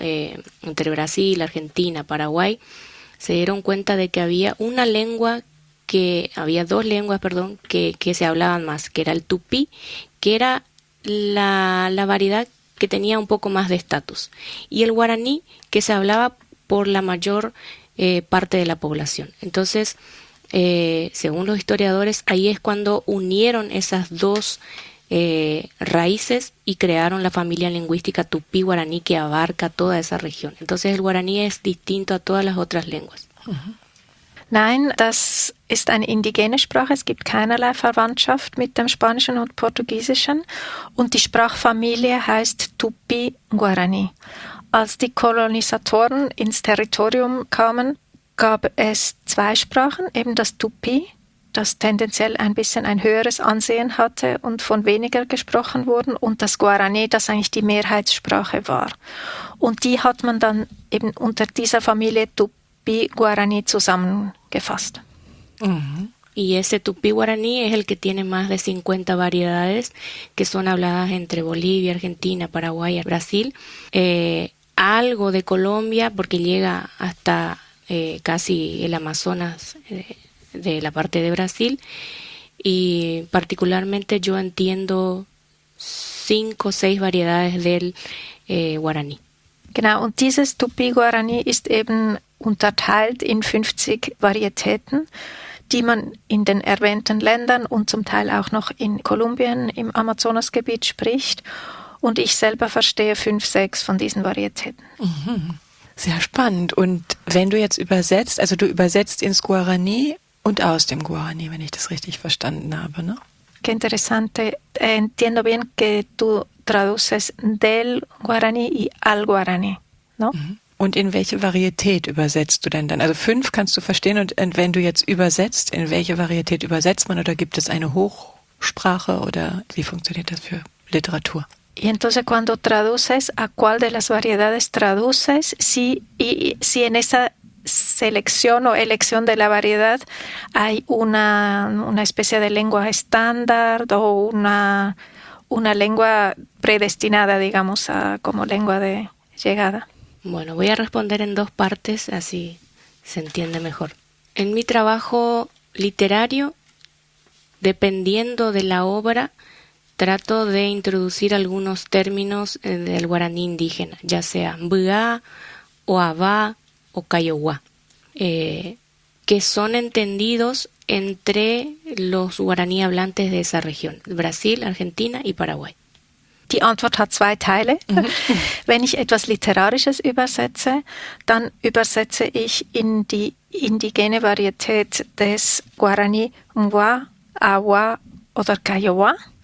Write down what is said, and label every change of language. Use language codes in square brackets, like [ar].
[es] Entre Brasil, Argentina, Paraguay, se dieron cuenta de que había una lengua, que había dos lenguas, perdón, que se hablaban más, que era el tupí, que era la variedad que tenía un poco más de estatus, y el guaraní, que se hablaba por la mayor parte de la población. Entonces, según los historiadores, ahí es cuando unieron esas dos raíces y crearon la familia lingüística tupí-guaraní, que abarca toda esa región. Entonces el guaraní es distinto a todas las otras lenguas. Uh-huh. [de] Nein, das ist eine indigene Sprache. Es gibt keinerlei Verwandtschaft mit dem Spanischen und Portugiesischen. Und die Sprachfamilie heißt tupí-guaraní. Als die Kolonisatoren ins Territorium kamen, gab es zwei Sprachen, eben das Tupi, das tendenziell ein bisschen ein höheres Ansehen hatte und von weniger gesprochen wurden, und das Guarani, das eigentlich die Mehrheitssprache war. Und die hat man dann eben unter dieser Familie Tupi-Guarani zusammengefasst. Mhm. [es] Y ese Tupi-Guarani es el que tiene más de 50 variedades, que son habladas entre Bolivia, Argentina, Paraguay y Brasil. Algo de Colombia, porque llega hasta casi el Amazonas de la parte de Brasil, y particularmente yo entiendo 5 o 6 variedades del guaraní. [de] Genau, und dieses Tupi-Guaraní ist eben unterteilt in 50 Varietäten, die man in den erwähnten Ländern und zum Teil auch noch in Kolumbien im Amazonasgebiet spricht, und ich selber verstehe 5, 6 von diesen Varietäten. Mhm. Sehr spannend. Und wenn du jetzt übersetzt, also du übersetzt ins Guarani und aus dem Guarani, wenn ich das richtig verstanden habe, ne? [es] Qué interesante. Entiendo bien que tú traduces del Guarani y al Guarani, ¿no? [de] Und in welche Varietät übersetzt du denn dann? Also 5 kannst du verstehen, und wenn du jetzt übersetzt, in welche Varietät übersetzt man, oder gibt es eine Hochsprache, oder wie funktioniert das für Literatur? [es] Y entonces cuando traduces, ¿a cuál de las variedades traduces? Si, y si en esa selección o elección de la variedad hay una especie de lengua estándar o una lengua predestinada, digamos, a, como lengua de llegada. Bueno, voy a responder en 2 partes, así se entiende mejor. En mi trabajo literario, dependiendo de la obra, trato de introducir algunos términos del guaraní indígena, ya sea mbuá, o abá, o kayowá, que son entendidos entre los guaraní hablantes de esa región, Brasil, Argentina y Paraguay. [de] Die Antwort hat 2 Teile. Wenn ich etwas Literarisches übersetze, dann übersetze ich in die indigene Varietät des Guaraní mbuá, abá oder kayowá.